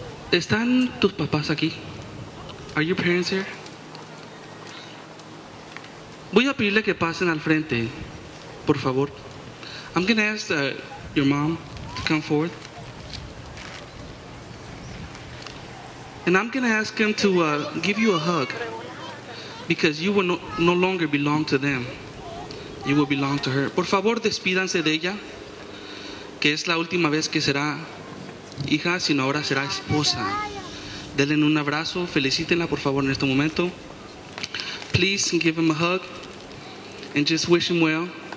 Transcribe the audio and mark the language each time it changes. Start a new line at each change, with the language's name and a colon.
Spanish: ¿Están tus papás aquí?
English: Are your parents here?
Spanish: Voy a pedirle que pasen al frente, por favor.
English: I'm going to ask your mom to come forward. And I'm going to ask him to give you a hug. Because you will no longer belong to them. You will belong to her.
Spanish: Por favor, despídanse de ella. Que es la última vez que será hija, sino ahora será esposa. Denle un abrazo, felicítenla por favor en este momento.
English: Please give him a hug and just wish him well.